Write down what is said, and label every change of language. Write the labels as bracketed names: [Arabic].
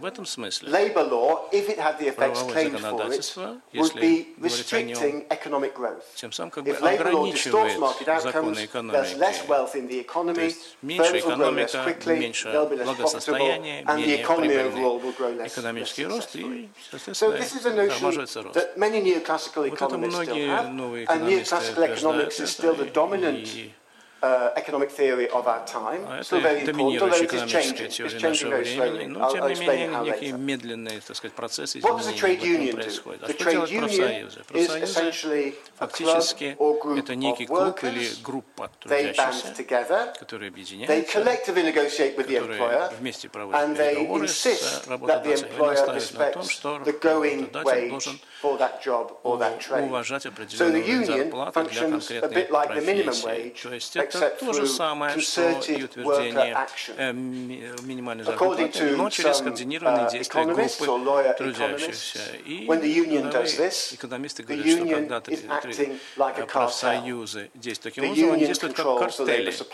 [Russian] В этом смысле правовое законодательство, если говорить о нем, тем самым как бы ограничивает законы экономики. То есть меньше экономика, меньше благосостояние, менее прибыль. Экономический рост и, соответственно, [English] that many neoclassical economists вот still have, and neoclassical economics is still the dominant economic theory of our time, still very important, although it is changing, it's changing very slowly. I'll explain how later. What does the trade union do? The trade union is essentially a club or group of workers. They band together, they collectively negotiate with the employer, and they insist that the employer respects the going wage for that job or that trade. So the union functions a bit like the minimum wage, [Russian] это то же самое, что и утверждение минимальной заработной платы, но через координированные действия группы трудящихся. И экономисты говорят, что когда профсоюзы действуют таким образом, они действуют как картели.